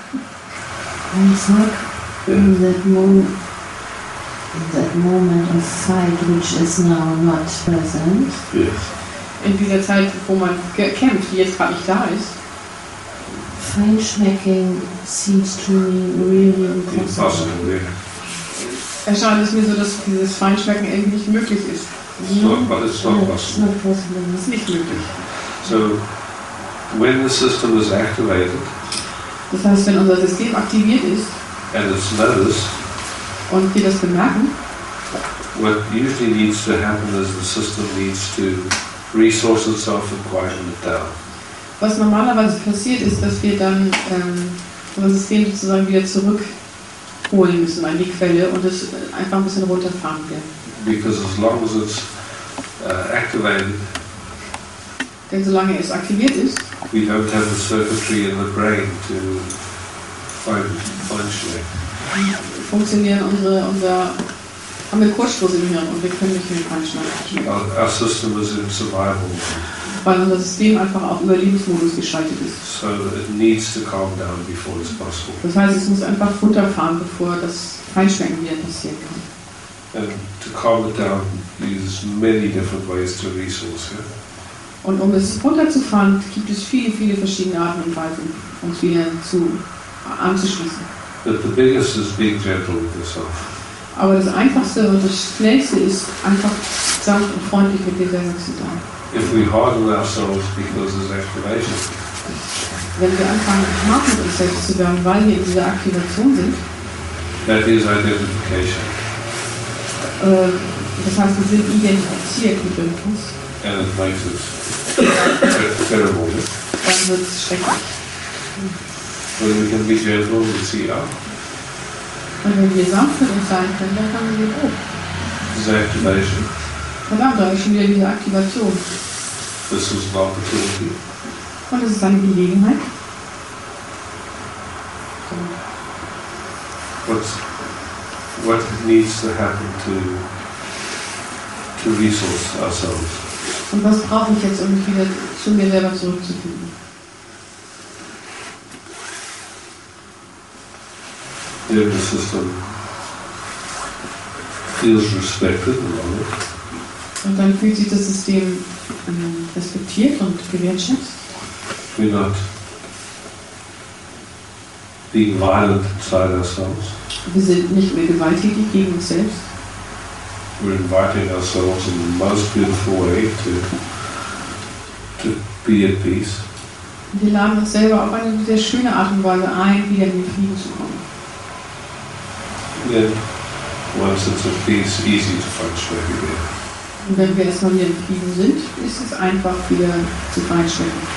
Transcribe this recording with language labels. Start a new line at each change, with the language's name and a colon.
English: And it's not in that moment of sight which is now not present. Yes.
German: In dieser Zeit, wo man kämpft, die jetzt gerade nicht da ist.
English: Feinschmecking seems to me really impossible. Impossible, yeah.
German: Erscheint es mir so, dass dieses Feinschmecken irgendwie nicht möglich ist.
English: It's not possible.
German: Es ist nicht möglich.
English: So, when the system is activated,
German: das heißt, wenn unser System aktiviert ist
English: and it's noticed,
German: und wir das bemerken,
English: what usually needs to happen is the system needs to resource itself and quieten it down.
German: Was normalerweise passiert ist, dass wir dann unser System sozusagen wieder zurückholen müssen an die Quelle und es einfach ein bisschen runterfahren wird.
English: Because as long as it's activated,
German: denn solange es aktiviert ist,
English: we don't have the circuitry in the brain to feinschmecken.
German: Funktionieren unser haben wir Kurzschluss im Hirn und wir können nicht mehr feinschmecken.
English: Our system is in survival mode.
German: Weil unser System einfach auf Überlebensmodus geschaltet ist.
English: So it needs to calm down before it's possible.
German: Das heißt, es muss einfach runterfahren, bevor das Feinschmecken wieder passieren kann.
English: And to calm it down, there's many different ways to resource it.
German: Und um es runterzufahren, gibt es viele, viele verschiedene Arten und Weisen, uns wieder anzuschließen.
English: But the biggest is being gentle with yourself.
German: Aber das Einfachste und das Schnellste ist, einfach sanft und freundlich mit dir selber zu sein.
English: If we harden ourselves because there's activation.
German: Wenn wir anfangen, hart mit uns selbst zu werden, weil wir in dieser Aktivation sind,
English: that is identification.
German: Das heißt, wir sind identifiziert mit irgendwas.
English: And it makes us terrible.
German: Dann wird es schrecklich.
English: When we can be gentle, we see up.
German: Und wenn wir sanft mit uns sein können, dann haben wir hoch. diese Aktivation. Verdammt, da habe ich schon wieder diese Aktivation.
English: This is an opportunity.
German: Und es ist eine Gelegenheit.
English: What needs to happen to resource ourselves?
German: Und was brauche ich jetzt, um mich wieder zu mir selber zurückzufinden?
English: Yeah, the system feels respected and honored.
German: Und dann fühlt sich das System respektiert und gewertschätzt.
English: We're not being violent inside ourselves.
German: Wir sind nicht mehr gewalttätig gegen uns selbst.
English: We're inviting ourselves in the most beautiful way to be at peace.
German: Wir laden uns selber auf eine sehr schöne Art und Weise ein, wieder in den Frieden zu kommen.
English: Then, once it's at peace, easy to function everywhere.
German: Und wenn wir erstmal hier im Frieden sind, ist es einfach, wieder zu feinstellen.